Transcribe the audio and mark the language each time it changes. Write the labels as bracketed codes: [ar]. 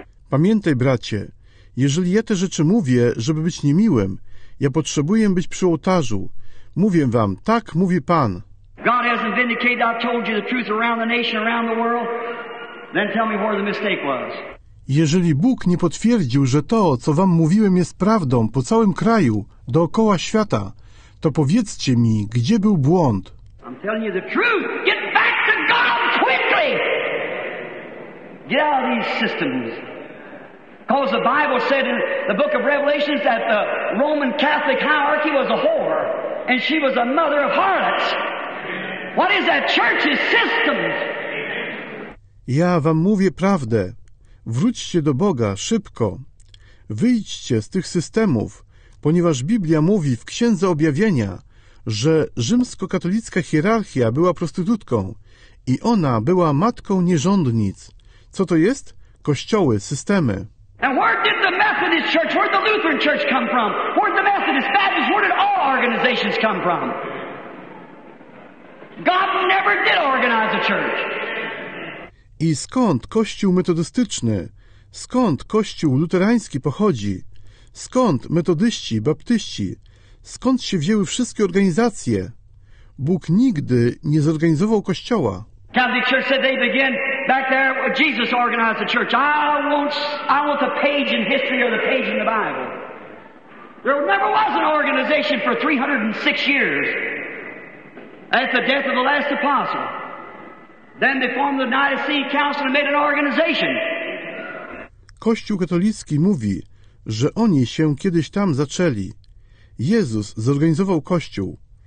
[pl] Pamiętaj, bracie, jeżeli ja te rzeczy mówię, żeby być niemiłym, ja potrzebuję być przy ołtarzu. Mówię wam, tak mówi Pan. [en] God hasn't vindicated, I've told you the truth around the nation, around the world. Then tell me where the mistake was. [pl] Jeżeli Bóg nie potwierdził, że to, co wam mówiłem, jest prawdą po całym kraju, dookoła świata, to powiedzcie mi, gdzie był błąd. [en] I'm telling you the truth. Get back to God quickly. Get out of these systems. Because the Bible said in the book of Revelation that the Roman Catholic hierarchy was a whore, and she was a mother of harlots. What is that church's system? [pl] Ja wam mówię prawdę. Wróćcie do Boga szybko. Wyjdźcie z tych systemów, ponieważ Biblia mówi w Księdze Objawienia, że rzymskokatolicka hierarchia była prostytutką i ona była matką nierządnic. Co to jest? Kościoły, systemy. [en] And where did the Methodist Church, where did the Lutheran Church come from? Where did the Methodist, Baptist, where did all organizations come from? God never did organize a church. [pl] I skąd Kościół metodystyczny, skąd Kościół luterański pochodzi? Skąd metodyści, baptyści? Skąd się wzięły wszystkie organizacje? Bóg nigdy nie zorganizował Kościoła. [en] Catholic Church said they begin back there where Jesus organized the church. I want the page in history or the page in the Bible. There never was an organization for 306 years. At the death of the last apostle. Then they formed the Nicene Council and made an organization. [pl] Kościół katolicki mówi, że oni się kiedyś tam zaczęli. Jezus zorganizował Kościół.